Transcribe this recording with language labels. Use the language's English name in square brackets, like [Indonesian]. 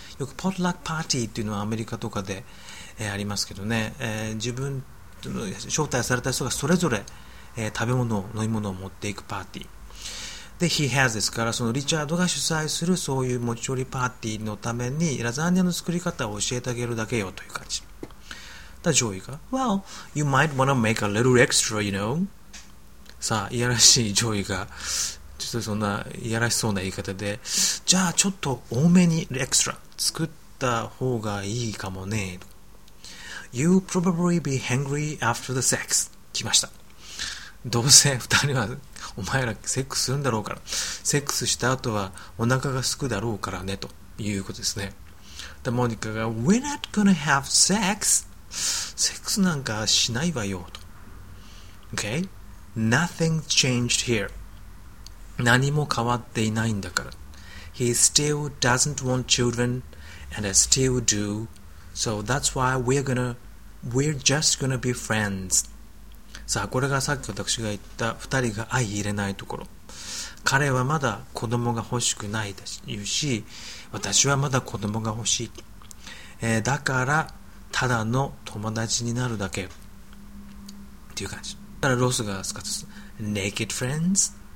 [Japanese] よく potluck party っていうのはアメリカとかで、ありますけどね。自分の招待された人がそれぞれ、食べ物を、飲み物を持っていくパーティー。で、he has ですから、そのリチャードが主催するそういう持ち寄りパーティーのために、ラザニアの作り方を教えてあげるだけよという感じ。だ、ジョイが、 [English] well, you might want to make a little extra, you know? [Japanese] さあ、いやらしいジョイが、ちょっとそんな、いやらしそうな言い方で、じゃあ、ちょっと多めに extra 作った方がいいかもね。 [English] You probably be hungry after the sex. [Japanese] 来ました。どうせ二人はお前らセックスするんだろうから、セックスした後はお腹が空くだろうからね、ということですね。で、モニカが、 [English] we're not gonna have sex. [Japanese] セックスなんかしないわよ、と。 [English] Okay? Nothing changed here. [Japanese] 何も変わっていないんだから。 [English] He still doesn't want children and I still do. So that's why we're just gonna be friends. [Japanese] さあ、これがさっき私が言った二人が相入れないところ。彼はまだ子供が欲しくないと言うし、私はまだ子供が欲しい。だから、ただの友達になるだけ。っていう感じ。だからロスがすかつ、 [English] naked friends?